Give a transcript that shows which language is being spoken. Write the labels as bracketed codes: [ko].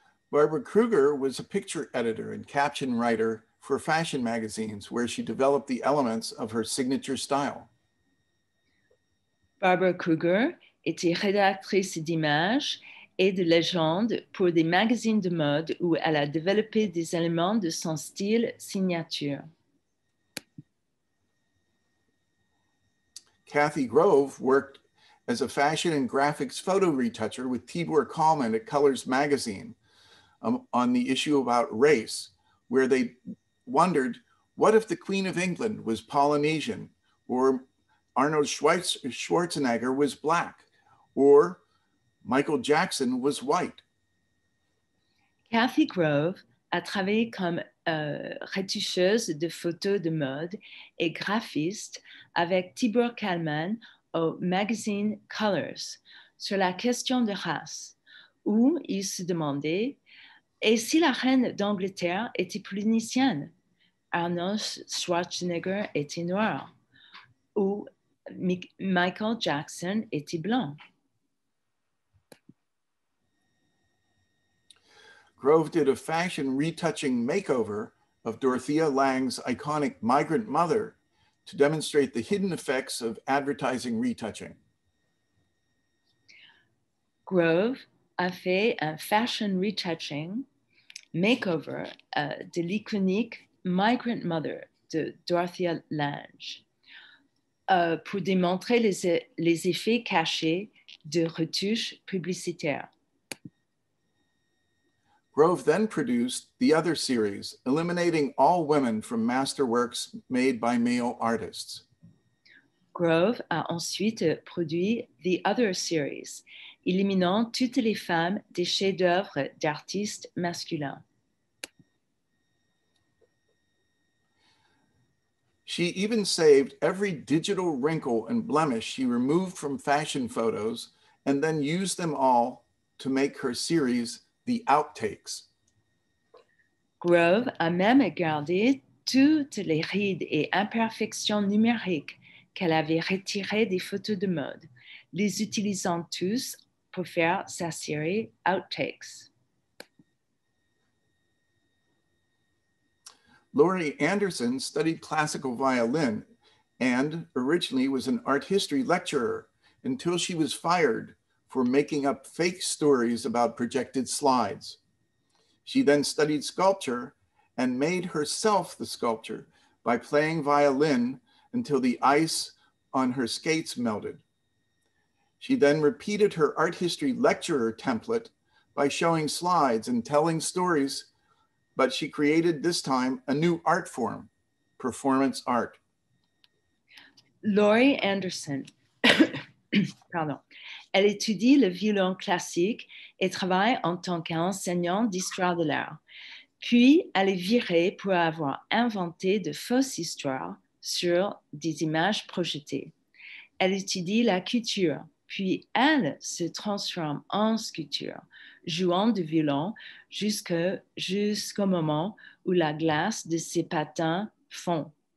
[en] Barbara Kruger was a picture editor and caption writer for fashion magazines where she developed the elements of her signature style. [fr] Barbara Kruger était rédactrice d'images et de légendes pour des magazines de mode où elle a développé des éléments de son style signature. [en] Kathy Grove worked as a fashion and graphics photo retoucher with Tibor Kalman at Colors Magazine. On the issue about race, where they wondered, what if the Queen of England was Polynesian, or Arnold Schwarzenegger was black, or Michael Jackson was white? [fr] Kathy Grove a travaillé comme retoucheuse de photos de mode et graphiste avec Tibor Kalman au magazine Colors sur la question de race, où il se demandait, et si la reine d'Angleterre était polynésienne, Arnold Schwarzenegger était noir, ou Michael Jackson était blanc? [en] Grove did a fashion retouching makeover of Dorothea Lange's iconic migrant mother to demonstrate the hidden effects of advertising retouching. [fr] Grove a fait un [en] fashion retouching makeover [fr] de l'iconique Migrant Mother de Dorothea Lange pour démontrer les effets cachés de retouches publicitaires. [en] Grove then produced the other series, eliminating all women from masterworks made by male artists. [fr] Grove a ensuite produit [en] the other series, [fr] éliminant toutes les femmes des chefs-d'œuvre d'artistes masculins. [en] She even saved every digital wrinkle and blemish she removed from fashion photos and then used them all to make her series, The Outtakes. [fr] Grove a même gardé toutes les rides et imperfections numériques qu'elle avait retirées des photos de mode, les utilisant tous pour faire sa série Outtakes. [en] Laurie Anderson studied classical violin and originally was an art history lecturer until she was fired for making up fake stories about projected slides. She then studied sculpture and made herself the sculpture by playing violin until the ice on her skates melted. She then repeated her art history lecturer template by showing slides and telling stories, but she created this time a new art form, performance art. [fr] Laurie Anderson, pardon. Elle étudie le violon classique et travaille en tant qu'enseignante d'histoire de l'art. Puis, elle est virée pour avoir inventé de fausses histoires sur des images projetées. Elle étudie la culture, puis elle se transforme en sculpture, jouant du violon jusqu'au moment où la glace de ses patins fond.